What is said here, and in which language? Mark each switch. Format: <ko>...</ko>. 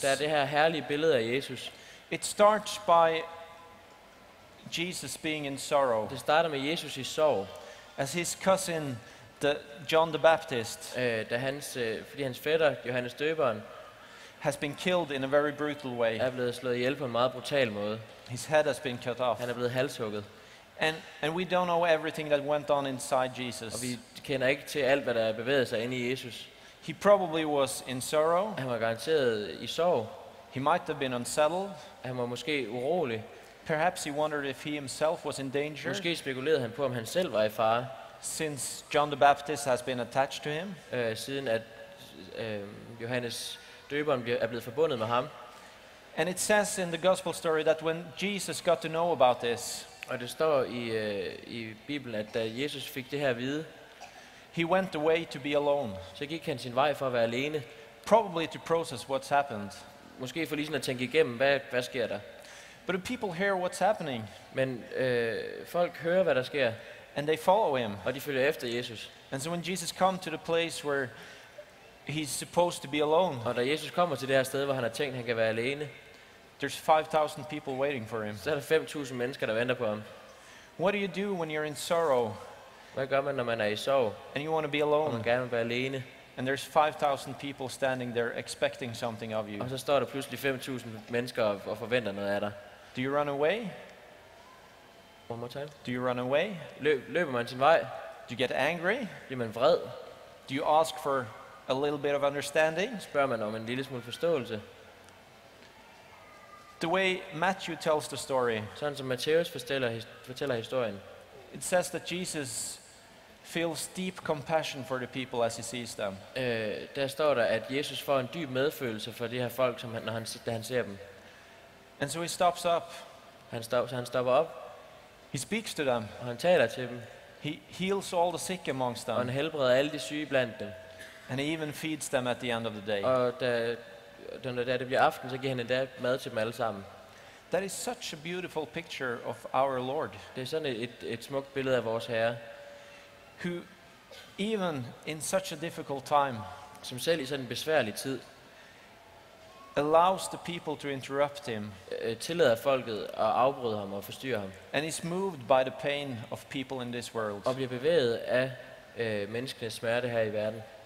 <da>Der er det her herlige billede af Jesus.</da> <en>It starts by Jesus being in sorrow.</en> <da>Det starter med Jesus i sorg.</da> <en>As his cousin John the Baptist,</en> <da>fordi hans fætter Johannes Døberen</da> <en>has been killed in a very brutal way.</en> <da>Er blevet slået ihjel på en meget brutal måde.</da> <en>His head has been cut off.</en> <da>Han er blevet halshugget.</da> <en>And we don't know everything that went on inside Jesus.</en> <da>Og vi kender ikke til alt hvad der bevægede sig inde i Jesus.</da> <en>He probably was in sorrow.</en> <da>Han var garanteret i sorg.</da> <en>He might have been unsettled.</en> <da>Han var måske urolig.</da> <en>Perhaps he wondered if he himself was in danger.</en> <da>Måske spekulerede han på om han selv var i fare.</da> <en>Since John the Baptist has been attached to him.</en> <da>Siden at Johannes Døberen er blevet forbundet med ham.</da> <en>And it says in the gospel story that when Jesus got to know about this.</en> <da>Og det står i Bibelen at da Jesus fik det her at vide.</da> <en>He went away to be alone.</en> <da>Så gik han sin vej for at være alene.</da> <en>Probably to process what's happened.</en> <da>Måske for lige at tænke igennem, hvad sker der?</da> <en>But people hear what's happening.</en> <da>Men folk hører hvad der sker.</da> <en>And they follow him.</en> <da>Og de følger efter Jesus.</da> <en>And so when Jesus come to the place where he's supposed to be alone.</en> <da>Og da Jesus kommer til det her sted hvor han har tænkt han kan være alene.</da> <en>There's 5,000 people waiting for him.</en> <da>Så er der 5,000 mennesker der venter på ham.</da> <en>What do you do when you're in sorrow?</en> <da>Hvad gør man når man er i sorg?</da> <en>And you want to be alone.</en> <da>Og man gerne vil være alene.</da> <en>And there's 5,000 people standing there expecting something of you.</en> <da>Og så står der pludselig 5,000 mennesker og forventer noget af dig.</da> <en>Do you run away? One more time. Do you run away?</en> <da>Løber man sin vej?</da> <en>Do you get angry?</en> <da>Bliver man vred?</da> <en>Do you ask for a little bit of understanding.</en> <da>Spørger man om en lille smule forståelse.</da> <en>The way Matthew tells the story.</en> <da>Sådan som Matthæus fortæller historien.</da> <en>It says that Jesus feels deep compassion for the people as he sees them.</en> <da>Der står der, at Jesus får en dyb medfølelse for de her folk, som han, når han, da han ser dem.</da> <en>And so he stops up.</en> <da>Han stopper op.</da> <en>He speaks to them.</en> <da>Og han taler til dem.</da> <en>He heals all the sick amongst them.</en> <da>Og han helbreder alle de syge blandt dem.</da> <en>And he even feeds them at the end of the day.</en> <da>Og da det bliver aften, så giver han endda mad til dem alle sammen.</da> <en>That is such a beautiful picture of our Lord.</en> <da>Det er sådan et smukt billede af vores Herre.</da> <en>Who even in such a difficult time,</en> <da>som selv i sådan en besværlig tid,</da> <en>allows the people to interrupt him.</en> <da>Tillader folket at afbryde ham og forstyrre ham.</da> <en>And is moved by the pain of people in this world.</en> <da>Og bliver bevæget af menneskenes smerte her i verden.</da>